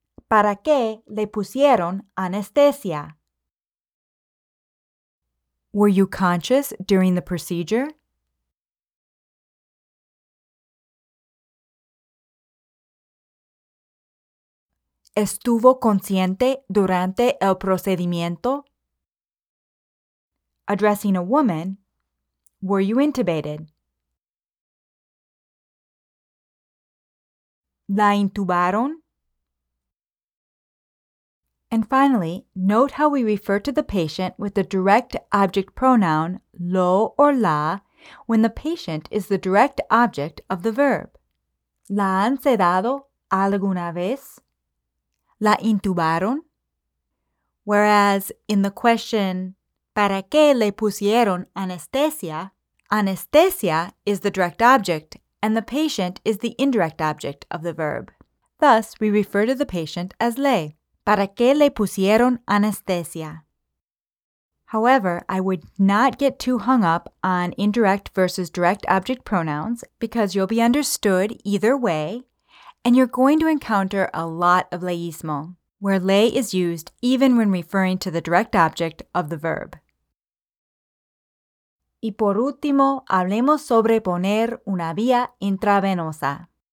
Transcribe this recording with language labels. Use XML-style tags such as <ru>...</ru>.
<es>¿Para qué le pusieron anestesia?</es> <en>Were you conscious during the procedure?</en> <es>¿Estuvo consciente durante el procedimiento?</es> <en>Addressing a woman, were you intubated?</en> <es>¿La intubaron?</es> <en>And finally, note how we refer to the patient with the direct object pronoun lo or la when the patient is the direct object of the verb.</en> <es>¿La han sedado alguna vez? ¿La intubaron?</es> <en>Whereas in the question,</en> <es>¿para qué le pusieron anestesia?</es> <en>Anestesia is the direct object, and the patient is the indirect object of the verb. Thus, we refer to the patient as le.</en> <es>¿Para qué le pusieron anestesia?</es> <en>However, I would not get too hung up on indirect versus direct object pronouns because you'll be understood either way, and you're going to encounter a lot of leísmo, where le is used even when referring to the direct object of the verb.</en> <es>Y por último, hablemos sobre poner una vía intravenosa.</es>